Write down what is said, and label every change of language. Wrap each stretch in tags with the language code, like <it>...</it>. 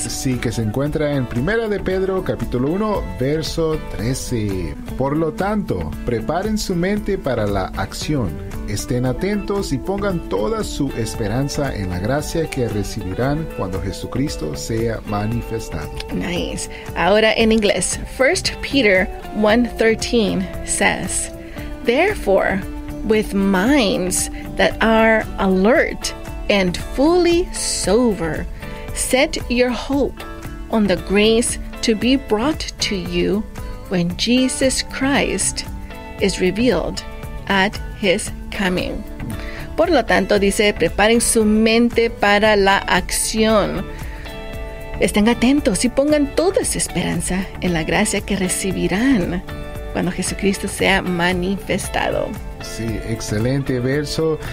<es>Sí, que se encuentra en 1 de Pedro, capítulo 1, verso 13. Por lo tanto, preparen su mente para la acción. Estén atentos y pongan toda su esperanza en la gracia que recibirán cuando Jesucristo sea manifestado. Nice. Ahora en inglés.</es> <en>1 Peter 1:13 says, therefore, with minds that are alert and fully sober, set your hope on the grace to be brought to you when Jesus Christ is revealed at his coming.</en> <es>Por lo tanto, dice, preparen su mente para la acción. Estén atentos y pongan toda su esperanza en la gracia que recibirán cuando Jesucristo sea manifestado. Sí, excelente verso.</es>